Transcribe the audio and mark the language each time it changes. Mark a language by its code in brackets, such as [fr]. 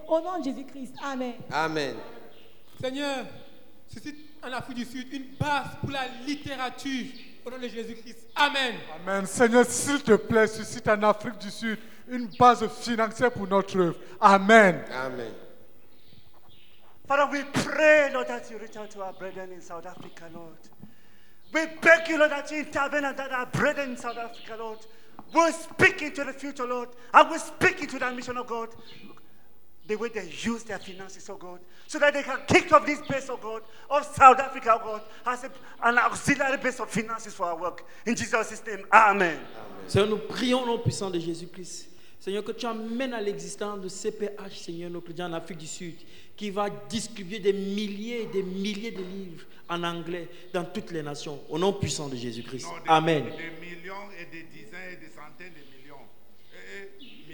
[fr] Au nom de Jésus-Christ. Amen. Amen. Seigneur, suscite en Afrique du Sud une base pour la littérature. Au nom de Jésus-Christ. Amen. Amen. Seigneur, s'il te plaît, suscite en Afrique du Sud une base financière pour notre œuvre. Amen. Amen. [en] Father, we pray, Lord, that you return to our brethren in South Africa, Lord. We beg you, Lord, that you intervene and that our brethren in South Africa, Lord, will speak into the future, Lord, and will speak into the mission of God, the way they use their finances, oh God, so that they can kick off this base, oh God, of South Africa, oh God, as an auxiliary base of finances for our work. In Jesus' name, amen. [fr] Seigneur, nous prions au puissant de Jésus-Christ. Seigneur, que tu amènes à l'existence de CPH, Seigneur, nos chrétiens en Afrique du Sud, qui va distribuer des milliers de livres en anglais dans toutes les nations, au nom puissant de Jésus-Christ. Non, amen. Des millions et des dizaines et des centaines de millions.